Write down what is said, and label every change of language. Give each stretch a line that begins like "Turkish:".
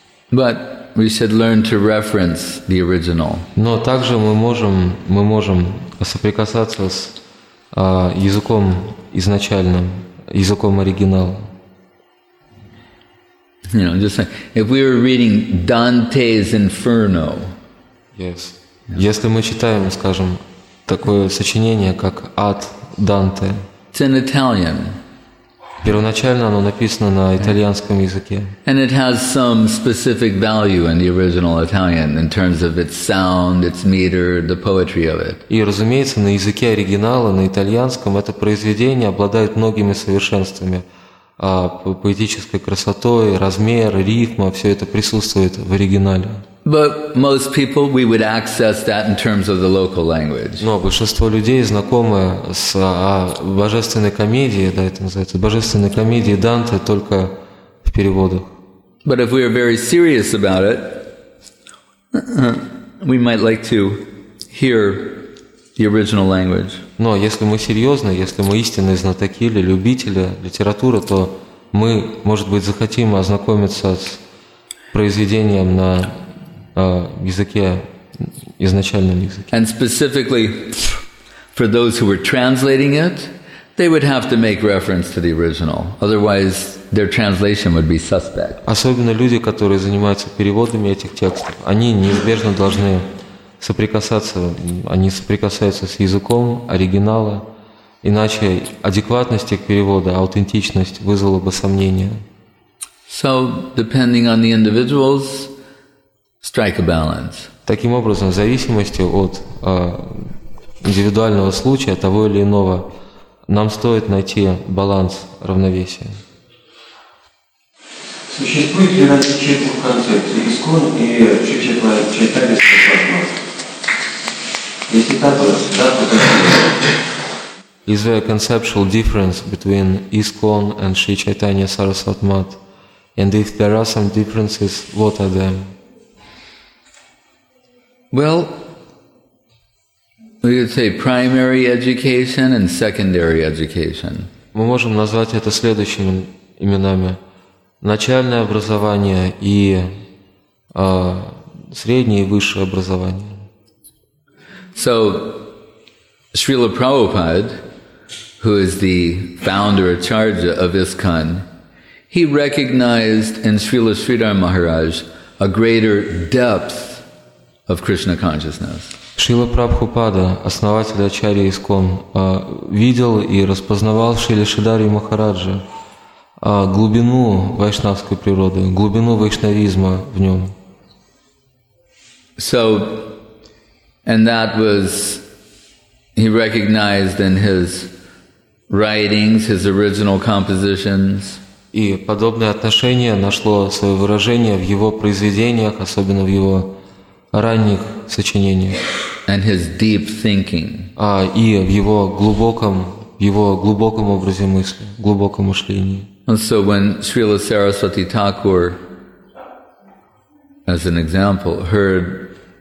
English: But we should learn to reference the original.
Russian: Но также мы можем соприкасаться с языком изначальным, языком оригинала.
English: You know, just like if we were reading Dante's Inferno. Yes.
Russian: Если мы читаем, скажем, такое сочинение, как «Ад Данте»,
English: it's in Italian.
Russian: Первоначально оно написано на итальянском языке.
English: And it has some specific value in the original Italian in terms of its sound, its meter, the poetry of it.
Russian: И, разумеется, на языке оригинала, на итальянском, это произведение обладает многими совершенствами. Поэтической красотой, размер, рифма, все это присутствует в оригинале.
English: But most people, we would access that in terms of the local language.
Russian: Но большинство людей знакомы с божественной комедией, да, это называется, божественной комедией Данте только в переводах.
English: But if we are very serious about it, we might like to hear the original language.
Russian: Но если мы серьезны, если мы истинные знатоки или любители литературы, то мы, может быть, захотим ознакомиться с произведением на языке, изначальном языке.
English: And specifically for those who were translating it, they would have to make reference to the original. Otherwise, their translation would be suspect.
Russian: Особенно люди, которые занимаются переводами этих текстов, они неизбежно должны соприкасаться, они соприкасаются с языком оригинала, иначе адекватность их перевода, аутентичность вызвала бы сомнения.
English: So, depending on the individuals, strike a balance.
Russian: Таким образом, в зависимости от индивидуального случая, того или иного, нам стоит найти баланс, равновесие. Существует ли различие в концепции искон и читали шри-чайтанья? Если так, то какие?
English: Is there a conceptual difference between искон and шри-чайтанья сарасватмат? And if there are some differences, what are them? Well, we could say primary education and secondary education.
Russian: Мы можем назвать это следующими именами: начальное образование и среднее и высшее образование.
English: So, Srila Prabhupada, who is the founder acharya of ISKCON, he recognized in Srila Sridhar Maharaj a greater depth of Krishna consciousness.
Russian: Шрила Прабхупада, основатель Ачарьи Искон, видел и распознавал в Шриле Шридхаре Махараджа глубину вайшнавской природы, глубину вайшнавизма в нем.
English: So, and that was he recognized in his writings, his original compositions.
Russian: И подобное отношение нашло свое выражение в его произведениях, особенно в его ранних сочинениях.
English: And his deep thinking.
Russian: И в его глубоком образе мысли, глубоком мышлении.
English: And so when Srila Saraswati Thakur, as an example, heard